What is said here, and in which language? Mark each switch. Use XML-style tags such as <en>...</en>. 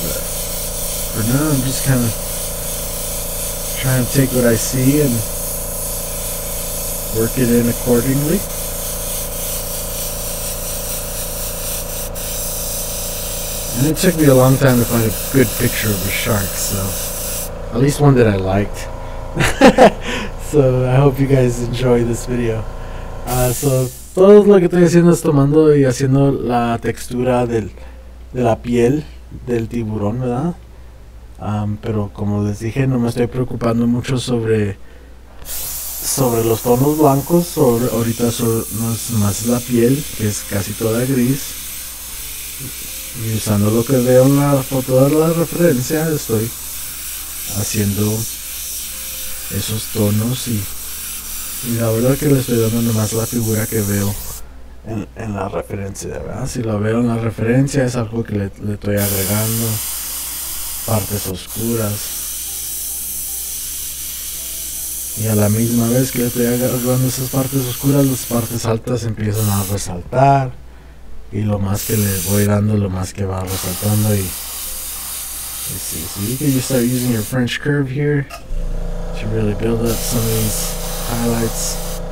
<en>But for now, I'm just kind of trying to take what I see and work it in accordingly. And it took me a long time to find a good picture of a shark, so at least one that I liked. So I hope you guys enjoy this video.</en> <es>So todo lo que estoy haciendo es tomando y haciendo la textura de la piel del tiburón, ¿verdad? Pero como les dije, no me estoy preocupando mucho sobre los tonos blancos. Ahorita es más la piel, que es casi toda gris. Y usando lo que veo en la foto de la referencia, estoy haciendo esos tonos y la verdad que le estoy dando nomás la figura que veo en la referencia, ¿verdad? Si lo veo en la referencia, es algo que le estoy agregando, partes oscuras. Y a la misma vez que le estoy agregando esas partes oscuras, las partes altas empiezan a resaltar. Y lo más que le voy dando, lo más que va resaltando. Y sí, sí,</es> <en>you can start using your French curve here to really build up some of these highlights.</en>